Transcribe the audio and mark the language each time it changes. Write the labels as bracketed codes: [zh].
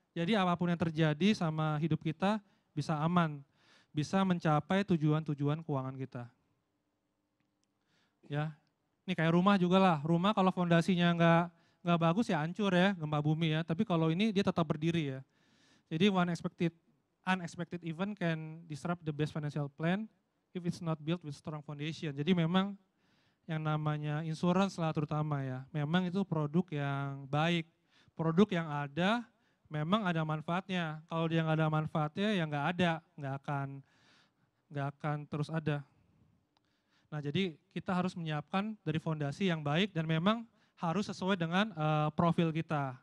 [id] Jadi apapun yang terjadi sama hidup kita bisa aman, bisa mencapai tujuan-tujuan keuangan kita. Ya, ini kayak rumah juga lah. Rumah kalau fondasinya nggak bagus ya hancur ya, gempa bumi ya. Tapi kalau ini dia tetap berdiri ya. [en] Jadi unexpected event can disrupt the best financial plan if it's not built with strong foundation. [id] Jadi memang yang namanya insurance lah terutama ya, memang itu produk yang baik, produk yang ada. Memang ada manfaatnya. Kalau dia nggak ada manfaatnya, ya nggak ada, nggak akan terus ada. Nah, jadi kita harus menyiapkan dari fondasi yang baik dan memang harus sesuai dengan profil kita.